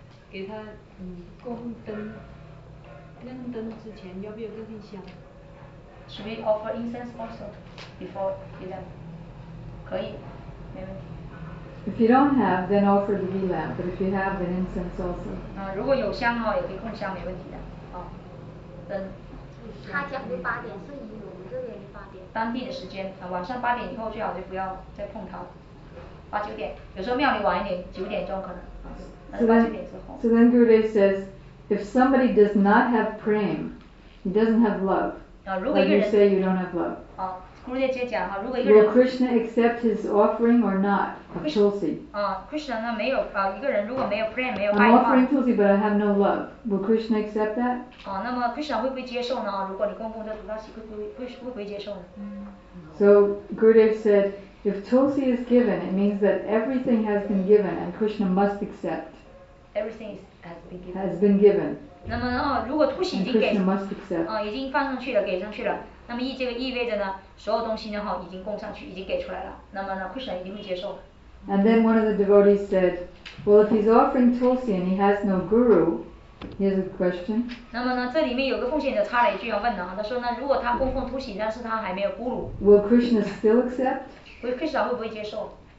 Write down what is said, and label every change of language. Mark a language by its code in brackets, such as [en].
[zh] 给他供灯，亮灯之前要不要跟上香 [en] ？Should we offer incense also before ghee lamp? [zh] 可以，没问题。 [en] If you don't have, then offer the ghee lamp. But if you have, then incense also. [zh] 如果有香哈，也可以供香，没问题的。灯。他讲的八点是以我们这边的八点。当地的时间，晚上八点以后最好就不要再碰它了。八九点，有时候庙里晚一点，九点钟可能。 [en] So then Gurudev says, if somebody does not have prem, he doesn't have love. Like you say, you don't have love. [zh] Gurudev 接讲哈，如果一个人 [en] will Krishna accept his offering or not of Tulsi? [zh] Krishna 呢没有一个人如果没有 prem 没有爱的话 [en] I'm offering Tulsi, but I have no love. Will Krishna accept that? [zh] 那么 Krishna 会不会接受呢？如果你供奉这 Tulsi， 会不会接受呢？ [en] So Gurudev said. If Tulsi is given, it means that everything has been given and Krishna must accept. Everything has been given. Has been given. [zh] 那么如果 Tulsi 已经给 [en] Krishna must accept. [zh] 已经放上去了，给上去了。那么这个意味着呢，所有东西呢已经供上去，已经给出来了。那么呢 ，Krishna 一定会接受。 [en] And then one of the devotees said, "Well, if he's offering Tulsi and he has no guru, here's a question." [zh] 那么呢，这里面有个奉献者插了一句要问呢，他说呢，如果他供奉 Tulsi， 但是他还没有 guru， [en] will Krishna still accept? [zh] 会 Krishna 会不会接受